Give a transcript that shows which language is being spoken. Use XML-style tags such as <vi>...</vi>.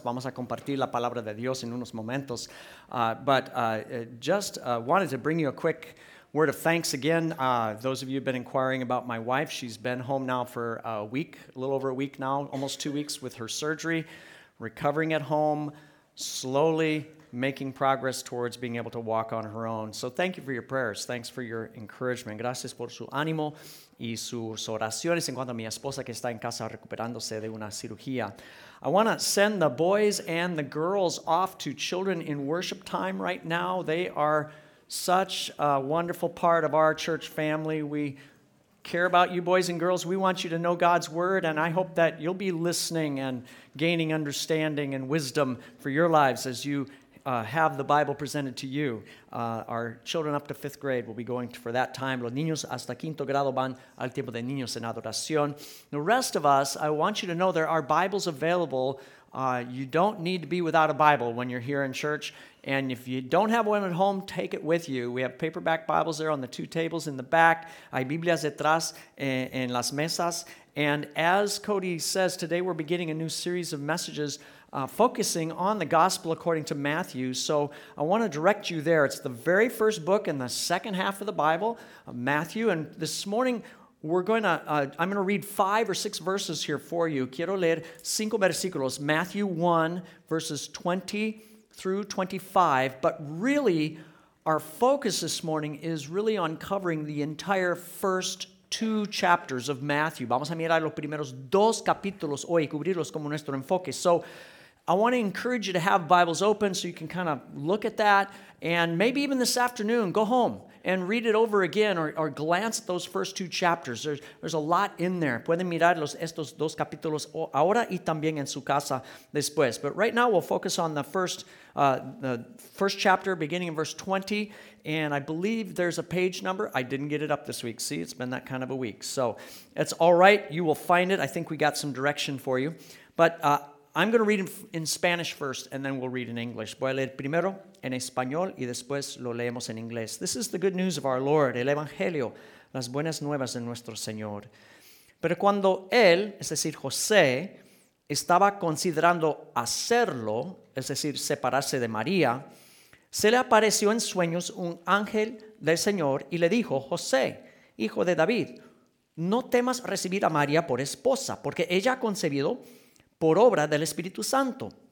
<es>Vamos a compartir la palabra de Dios en unos momentos.</es> <en>But wanted to bring you a quick word of thanks again. Those of you who have been inquiring about my wife, she's been home now for a week, a little over a week now, almost 2 weeks with her surgery, recovering at home, slowly making progress towards being able to walk on her own. So thank you for your prayers. Thanks for your encouragement.</en> <es>Gracias por su ánimo y sus oraciones en cuanto a mi esposa que está en casa recuperándose de una cirugía.</es> <en>I want to send the boys and the girls off to children in worship time right now. They are such a wonderful part of our church family. We care about you boys and girls. We want you to know God's word, and I hope that you'll be listening and gaining understanding and wisdom for your lives as you have the Bible presented to you. Our children up to fifth grade will be going for that time.</en> <es>Los niños hasta quinto grado van al tiempo de niños en adoración.</es> <en>The rest of us, I want you to know there are Bibles available. You don't need to be without a Bible when you're here in church. And if you don't have one at home, take it with you. We have paperback Bibles there on the two tables in the back.</en> <es>Hay Biblias detrás en las mesas.</es> <en>And as Cody says, today we're beginning a new series of messages focusing on the gospel according to Matthew. So I want to direct you there. It's the very first book in the second half of the Bible, Matthew. And this morning, I'm going to read five or six verses here for you.</en> <es>Quiero leer cinco versículos, Matthew 1,</es> <en>verses 20 through 25. But really, our focus this morning is really on covering the entire first two chapters of Matthew.</en> <es>Vamos a mirar los primeros dos capítulos hoy, cubrirlos como nuestro enfoque.</es> <en>So I want to encourage you to have Bibles open so you can kind of look at that. And maybe even this afternoon, go home and read it over again or glance at those first two chapters. There's a lot in there.</en> <es>Pueden mirar estos dos capítulos ahora y también en su casa después.</es> <en>But right now we'll focus on the first chapter beginning in verse 20. And I believe there's a page number. I didn't get it up this week. See, it's been that kind of a week. So it's all right. You will find it. I think we got some direction for you. But I'm going to read in Spanish first, and then we'll read in English.</en> <es>Voy a leer primero en español, y después lo leemos en inglés.</es> <en>This is the good news of our Lord,</en> <es>el Evangelio, las buenas nuevas de nuestro Señor. Pero cuando él, es decir, José, estaba considerando hacerlo, es decir, separarse de María, se le apareció en sueños un ángel del Señor y le dijo, José, hijo de David, no temas recibir a María por esposa, porque ella ha concebido por obra del Espíritu Santo.</es>